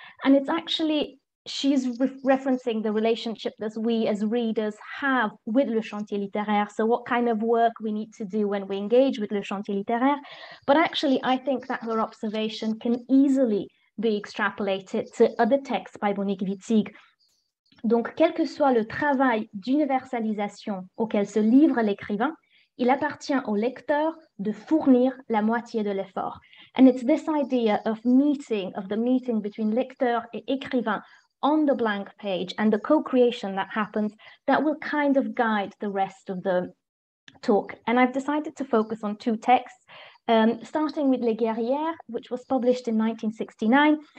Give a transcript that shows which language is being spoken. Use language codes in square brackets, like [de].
[en] And it's actually, she's referencing the relationship that we as readers have with Le Chantier Littéraire. So what kind of work we need to do when we engage with Le Chantier Littéraire. But actually, I think that her observation can easily be extrapolated to other texts by Monique Wittig. [fr] Donc, quel que soit le travail d'universalisation auquel se livre l'écrivain, il appartient au lecteur de fournir la moitié de l'effort. [en] And it's this idea of the meeting between [fr] lecteur et écrivain [en] on the blank page and the co-creation that happens that will kind of guide the rest of the talk. And I've decided to focus on two texts, starting with Les Guerrières, which was published in 1969.